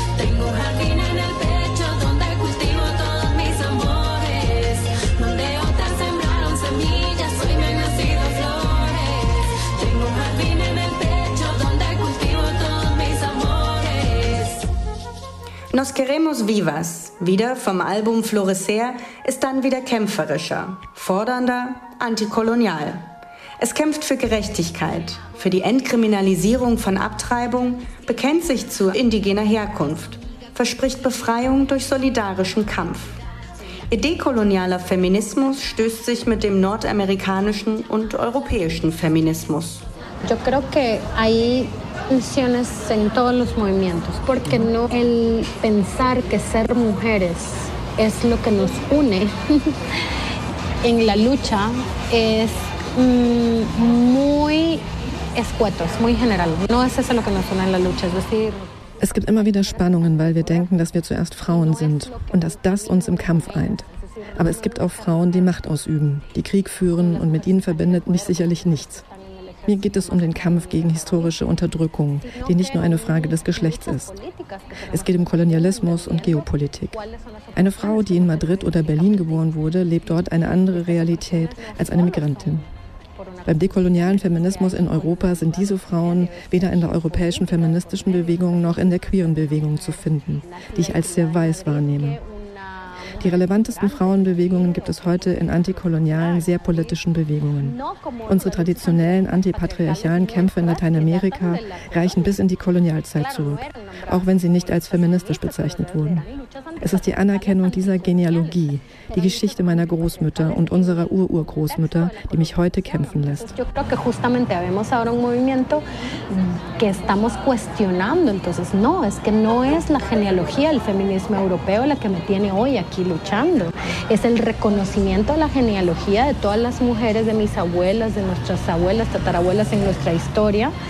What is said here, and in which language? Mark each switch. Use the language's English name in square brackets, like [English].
[Spanish] Tengo un jardín en el pecho donde cultivo todos mis amores. Donde otras sembraron semillas, hoy me han nacido flores. Tengo un jardín en el pecho donde cultivo todos mis amores. Nos queremos vivas. [German] Wieder vom Album Florecer ist dann wieder kämpferischer, fordernder, antikolonial. Es kämpft für Gerechtigkeit, für die Entkriminalisierung von Abtreibung, bekennt sich zu indigener Herkunft, verspricht Befreiung durch solidarischen Kampf. Ihr dekolonialer Feminismus stößt sich mit dem nordamerikanischen und europäischen Feminismus. Yo creo que hay tensiones en todos los movimientos, porque no el pensar que ser mujeres es lo que nos une en la lucha es muy escueto, es muy general. No es eso lo que nos une en la lucha, es decir... Es gibt immer wieder Spannungen, weil wir denken, dass wir zuerst Frauen sind und dass das uns im Kampf eint. Aber es gibt auch Frauen, die Macht ausüben, die Krieg führen und mit ihnen verbindet mich sicherlich nichts. Mir geht es um den Kampf gegen historische Unterdrückung, die nicht nur eine Frage des Geschlechts ist. Es geht um Kolonialismus und Geopolitik. Eine Frau, die in Madrid oder Berlin geboren wurde, lebt dort eine andere Realität als eine Migrantin. Beim dekolonialen Feminismus in Europa sind diese Frauen weder in der europäischen feministischen Bewegung noch in der queeren Bewegung zu finden, die ich als sehr weiß wahrnehme. Die relevantesten Frauenbewegungen gibt es heute in antikolonialen, sehr politischen Bewegungen. Unsere traditionellen antipatriarchalen Kämpfe in Lateinamerika reichen bis in die Kolonialzeit zurück, auch wenn sie nicht als feministisch bezeichnet wurden. Es ist die Anerkennung dieser Genealogie, die Geschichte meiner Großmütter und unserer Ururgroßmütter, die mich heute kämpfen lässt. Ich glaube, dass wir [Spanish] justamente vemos ahora un movimiento que estamos cuestionando. Entonces, no, es que no es la genealogía del feminismo europeo la que me tiene hoy aquí luchando. Es el reconocimiento de la genealogía de todas las mujeres, de mis abuelas, de nuestras abuelas, tatarabuelas en nuestra historia.